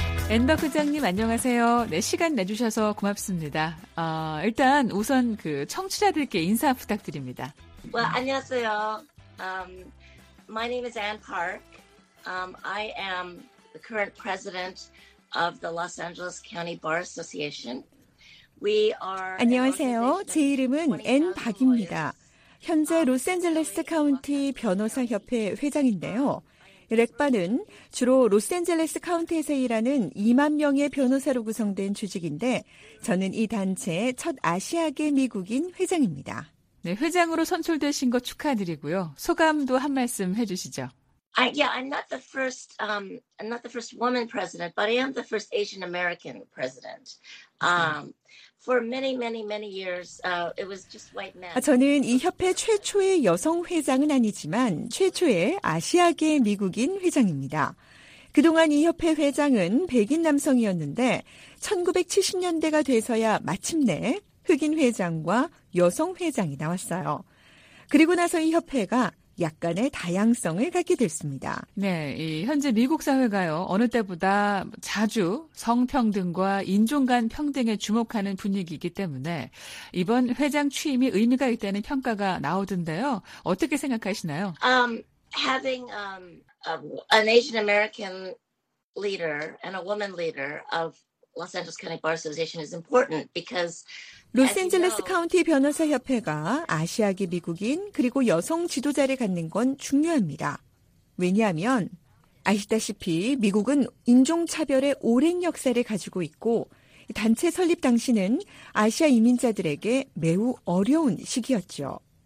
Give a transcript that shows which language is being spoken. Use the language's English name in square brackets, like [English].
[Korean] 앤박 회장님 안녕하세요. 네, 시간 내주셔서 고맙습니다. 일단 우선 그 청취자들께 인사 부탁드립니다. [English] Well, [Korean] 안녕하세요. [English] My name is Ann Park. I am the current president of the Los Angeles County Bar Association. We are [Korean] 안녕하세요. 제 이름은 앤 박입니다. 현재 로스앤젤레스 카운티 변호사 협회 회장인데요. 렉바는 주로 로스앤젤레스 카운티에서 일하는 2만 명의 변호사로 구성된 조직인데 저는 이 단체의 첫 아시아계 미국인 회장입니다. 네, 회장으로 선출되신 거 축하드리고요. 소감도 한 말씀 해주시죠. [English] I'm not the first woman president, but I am the first Asian American president. For many years, it was just white men. [Korean] 저는 이 협회 최초의 여성 회장은 아니지만 최초의 아시아계 미국인 회장입니다. 그동안 이 협회 회장은 백인 남성이었는데 1970년대가 돼서야 마침내 흑인 회장과 여성 회장이 나왔어요. 그리고 나서 이 협회가 약간의 다양성을 갖게 됐습니다. 네, 현재 미국 사회가요 어느 때보다 자주 성평등과 인종 간 평등에 주목하는 분위기이기 때문에 이번 회장 취임이 의미가 있다는 평가가 나오던데요. 어떻게 생각하시나요? [English] Having an Asian American leader and a woman leader of Los Angeles County Bar Association is important because [Korean] 로스앤젤레스 카운티 변호사협회가 아시아계 미국인 그리고 여성 지도자를 갖는 건 중요합니다. 왜냐하면 아시다시피 미국은 인종차별의 오랜 역사를 가지고 있고 단체 설립 당시는 아시아 이민자들에게 매우 어려운 시기였죠.